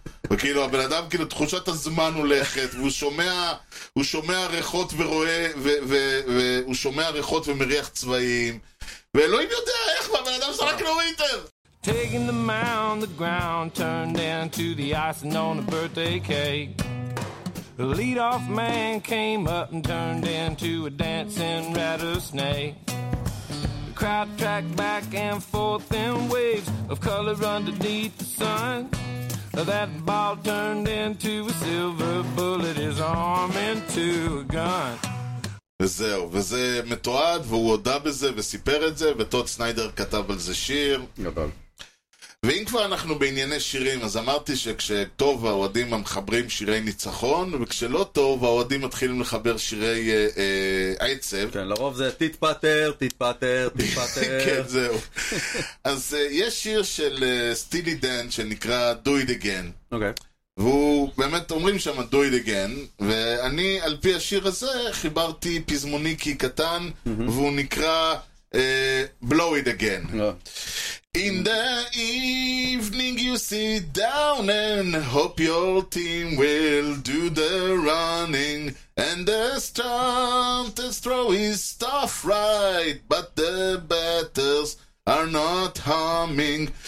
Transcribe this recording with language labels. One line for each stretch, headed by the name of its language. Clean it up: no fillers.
Hebrew: וכאילו, הבן אדם, כאילו, תחושת הזמן הולכת, והוא שומע ריחות ורואה, והוא שומע ריחות ומריח צבעים, ואלוהים יודע איך, והבן אדם זרק לו היטר.
English: Taking the mound, the ground, turned into the icing on the birthday cake. The lead-off man came up and turned into a dancing rattlesnake. The crowd tracked back and forth in waves of color underneath the sun. That ball turned into a silver bullet, his arm into a gun.
Hebrew: וזהו, וזה מתועד, והוא הודה בזה וסיפר את זה, וטוד סניידר כתב על זה שיר. גדול. ואם כבר אנחנו בענייני שירים, אז אמרתי שכשטוב האוהדים מחברים שירי ניצחון, וכשלא טוב האוהדים מתחילים לחבר שירי עצב. כן, לרוב זה תתפטר, תתפטר, תתפטר. כן, זהו. אז יש שיר של סטילי דן שנקרא Do It Again. אוקיי. והוא באמת אומרים שם Do It Again, ואני על פי השיר הזה חיברתי פזמוניקי קטן, והוא נקרא Blow It Again. לא.
English: In the evening you sit down and hope your team will do the running and the stumpers throw his stuff right but the batters are not humming